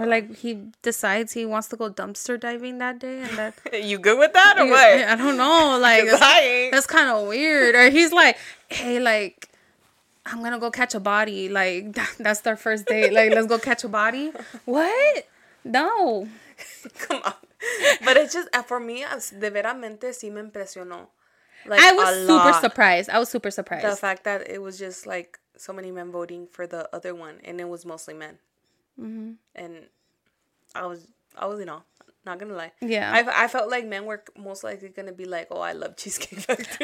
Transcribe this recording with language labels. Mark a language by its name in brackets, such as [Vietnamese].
[English] Or like he decides he wants to go dumpster diving that day and that you good with that or what? I don't know. Like that's kind of weird. Or he's like, hey, like, I'm gonna go catch a body. Like that's their first date. Like let's go catch a body. What? No. Come on. But it's just for me. [Spanish] De veramente sí me impresionó. [English] Like I was super surprised. I was super surprised. The fact that it was just like so many men voting for the other one, and it was mostly men. Mm-hmm. And I was in awe. Not gonna lie. Yeah. I felt like men were most likely gonna be like, oh, I love Cheesecake Factory.